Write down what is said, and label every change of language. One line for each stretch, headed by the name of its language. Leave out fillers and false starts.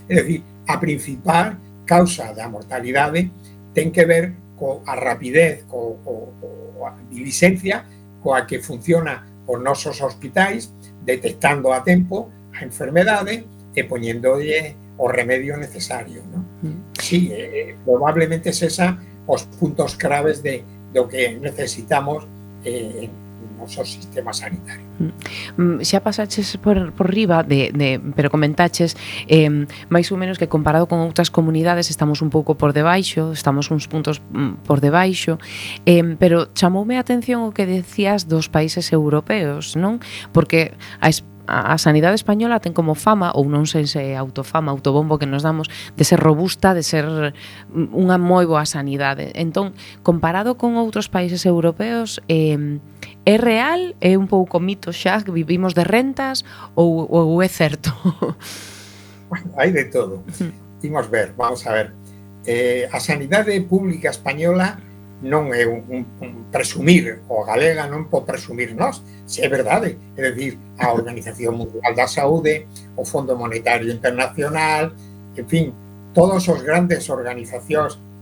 Spanish: Es decir, la principal causa de la mortalidad tiene que ver con la rapidez, con diligencia, con la que funciona con nuestros hospitales, detectando a tiempo las enfermedades y poniendo o remedio necesario, ¿no? Sí, probablemente es esa os puntos claves de lo que necesitamos en nuestro sistema sanitario.
Galician: Xa pasaches por riba pero comentaches máis ou menos que comparado con outras comunidades estamos un pouco por debaixo, estamos uns puntos por debaixo, pero chamoume a atención o que decías dos países europeos, non? Porque a sanidade española ten como fama, ou non sei se autofama, autobombo que nos damos, de ser robusta, de ser unha moi boa sanidade. Entón, comparado con outros países europeos, é real, é un pouco mito xa que vivimos de rentas, ou é certo? Bueno, hai de todo. Vamos a ver. A sanidade pública española non é un presumir, o galega non pode presumir nós, se é verdade. É dicir, a Organización Mundial da Saúde, o Fondo Monetario Internacional, en fin, todos os grandes organizacións